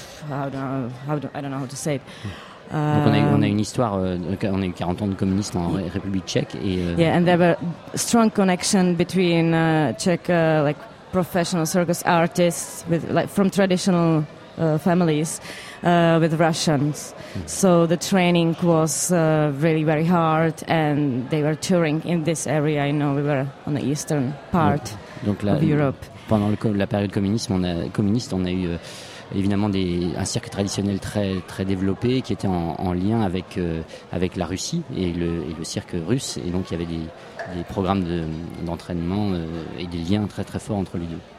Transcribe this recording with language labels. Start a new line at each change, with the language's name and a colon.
English: I don't know how to say it.
French: Donc on a une histoire, on a eu 40 ans de communisme en République tchèque et
English: yeah, and there were strong connection between Czech like professional circus artists with like from traditional families with Russians. So the training was really very hard and they were touring in this area. I know we were on the eastern part of Europe.
French: Pendant la période communiste, on a eu évidemment un cirque traditionnel très, très développé qui était en lien avec, avec la Russie et le cirque russe. Et donc il y avait des programmes d'entraînement et des liens très très forts entre les deux.